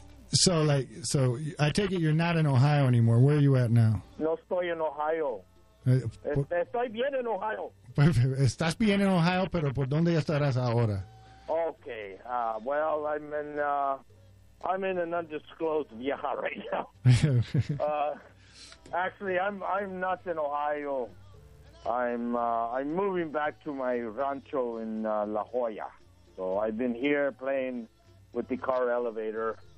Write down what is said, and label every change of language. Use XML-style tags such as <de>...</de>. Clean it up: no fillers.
<en>So I take it you're not in Ohio anymore. Where are you at now?</en> <es>No estoy en Ohio. Estoy bien en Ohio. Estás bien en Ohio, pero ¿por dónde estarás ahora?</es> <en>Okay. Well, I'm in an undisclosed vieja right now. actually, I'm not in Ohio. I'm moving back to my rancho in La Jolla. So I've been here playing with the car elevator.</en>